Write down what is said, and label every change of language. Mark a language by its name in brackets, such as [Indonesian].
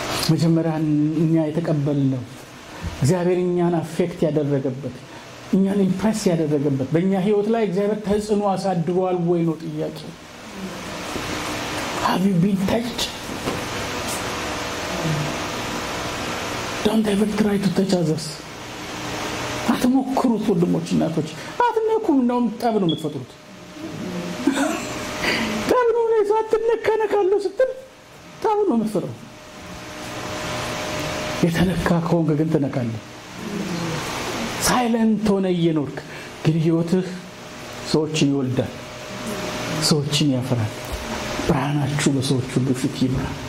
[Amharic] መጀመሪያኛ የተቀበልነው እግዚአብሔር እኛን አፌክት ያደረገበት እኛን ኢምፕሬስ ያደረገበት በእኛ ህይወት ላይ እግዚአብሔር ተጽዕኖ አሳድሯል ወይ ነው ጥያቄ [English] Have you been touched? Don't ever try to touch others. [Amharic] አትሞክሩት ወድሞች እናቶች አትነኩም ነው ጠብ ነው የምትፈጥሩት ጠብ ነው ላይ ሳትነካነካለው ስትል ጠብ ነው የምትፈጥሩት የተነካ ከሆንክ ግን ትነካለህ ሳይለንት ሆነ እየኖርክ ግን ህይወትህ ሰዎችን ይወልዳል ሰዎችን ያፈራል ብርሃናችሁ በሰዎች ሁሉ ፊት ይብራ